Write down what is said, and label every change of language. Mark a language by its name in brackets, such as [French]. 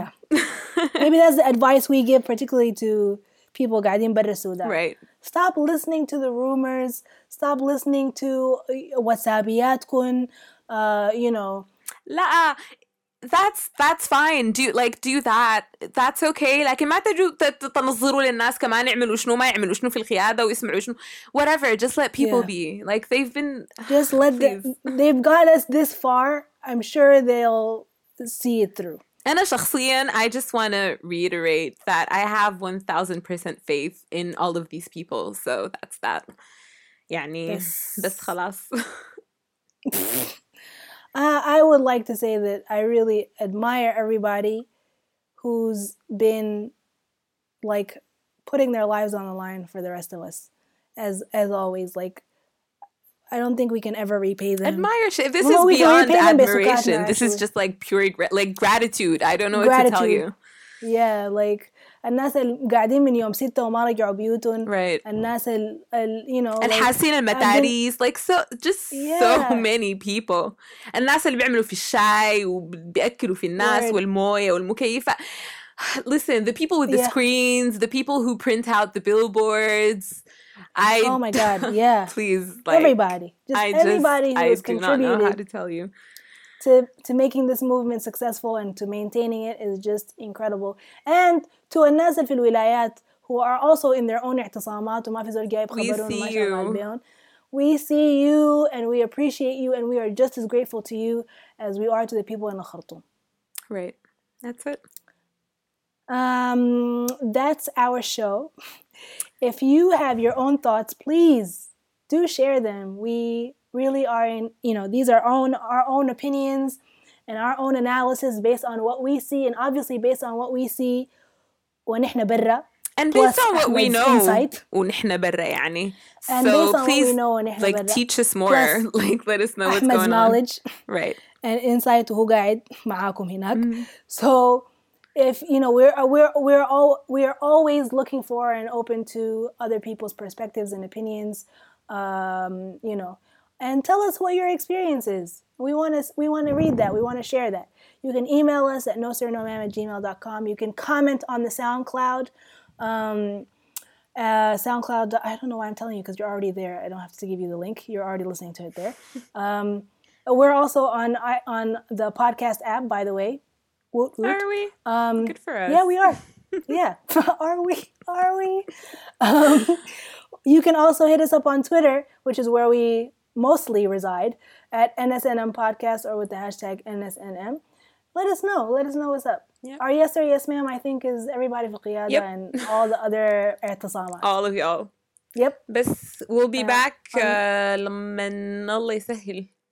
[English] Yeah. Maybe that's the advice we give particularly to people [Arabic] قاعدين برا السودان. [English] Right. Stop listening to the rumors. Stop listening to WhatsAppياتكن. You know. [Arabic] لا, [English] that's fine. Do that. That's okay. [Arabic] لكن ما تجوا تنظروا للناس كمان يعملوا شنو ما يعملوا شنو في القيادة ويسمعوا شنو. [English] Whatever. Just let people yeah. be. Like they've been. Just let them. They've got us this far. I'm sure they'll see it through. [Arabic] أنا شخصياً, [English] I just want to reiterate that I have 1,000% faith in all of these people. So that's that. [Arabic] يعني, بس خلاص. [English] I would like to say that I really admire everybody who's been, like, putting their lives on the line for the rest of us. As always, like, I don't think we can ever repay them. Admire. This is beyond admiration. This is just like pure like gratitude. I don't know what gratitude. To tell you. Yeah, like [Arabic] الناس القاعدين من يوم ستة وما رجعوا بيوتهم. Right. الناس ال [English] you know. [Arabic] الحاسين المتاريس. [English] Like so, just yeah. so many people. [Arabic] الناس اللي بيعملوا في الشاي وبيأكلوا في الناس [English] right. [Arabic] والموية والمكيفة. [English] Listen, the people with the screens, the people who print out the billboards. Oh my God, yeah. Please, like, everybody. Anybody who has contributed to making this movement successful and to maintaining it is just incredible. And to [Arabic] الناس في الولايات [English] who are also in their own [Arabic] اعتصامات وما في زول جايب خبرون. [English] We see you and we appreciate you and we are just as grateful to you as we are to the people in Khartoum. Right. That's it. That's our show. If you have your own thoughts, please do share them. We really are in, you know, these are our own opinions and our own analysis based on what we see and obviously based on what we see [Arabic] ونحن برا. [English] And based on what we know [Arabic] ونحن برا يعني. [English] And so please, we know like, [Arabic] برا. [English] Teach us more. Like, let us know what's Ahmed's going knowledge. On. Right. And insight [Arabic] هو قاعد معاكم هناك. [English] So if you know we're always looking for and open to other people's perspectives and opinions, you know, and tell us what your experience is. We want to read that. We want to share that. You can email us at nosirnomam@gmail.com. You can comment on the SoundCloud. SoundCloud. I don't know why I'm telling you because you're already there. I don't have to give you the link. You're already listening to it there. We're also on the podcast app, by the way. Woot, woot. Are we? Good for us. Yeah, we are. Yeah. Are we? You can also hit us up on Twitter, which is where we mostly reside, at NSNM Podcast or with the hashtag NSNM. Let us know what's up. Yep. Our yes or yes ma'am, I think, is everybody for Qiyada yep. and all the other اعتصامات. All of y'all. Yep. [Arabic] بس [English] we'll be back [Arabic] لمن الله يسهل.